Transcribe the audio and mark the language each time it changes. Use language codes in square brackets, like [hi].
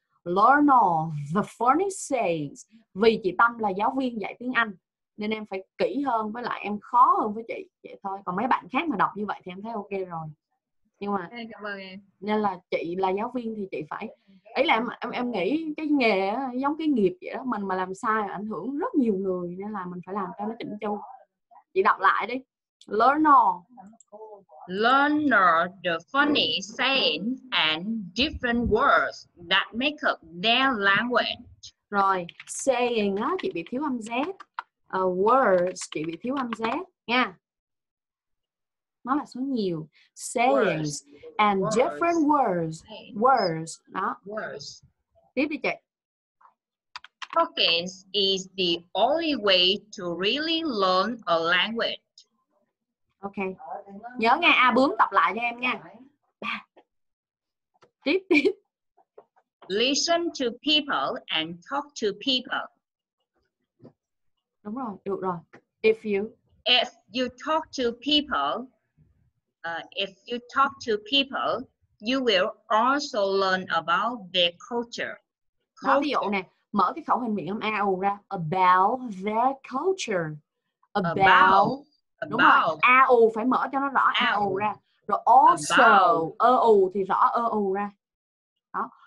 [en] Learner, the phonics says, [vi] vì chị Tâm là giáo viên dạy tiếng Anh nên em phải kỹ hơn, với lại em khó hơn với chị vậy thôi. Còn mấy bạn khác mà đọc như vậy thì em thấy ok rồi. Nhưng mà cảm ơn em. Nên là chị là giáo viên thì chị phải ấy, là em nghĩ cái nghề giống cái nghiệp vậy đó, mình mà làm sai ảnh hưởng rất nhiều người, nên là mình phải làm cho nó chỉnh chu. Chị đọc lại đi. Learner. [en] Learner, the funny saying and different words that make up their language. [vi] Rồi, saying á, chị bị thiếu âm Z. Words, chị bị thiếu âm Z nha. Nó là số nhiều. [en] Saying words. And words. Different words. Saying. [vi] Words, đó. [en] Words. [vi] Tiếp đi chị. [en] Talking is the only way to really learn a language. [vi] Ok, nhớ nghe A bướm tập lại cho em nha. Tiếp tiếp. [en] Listen to people and talk to people. [vi] Đúng rồi, được rồi. [en] If you talk to people, if you talk to people, you will also learn about their culture. [vi] Đó, ví dụ nè, mở cái khẩu hình miệng A U ra. [en] About their culture. About [vi] đúng rồi, a u phải mở cho nó rõ a u ra, rồi also ơ u thì rõ ơ u ra, đó.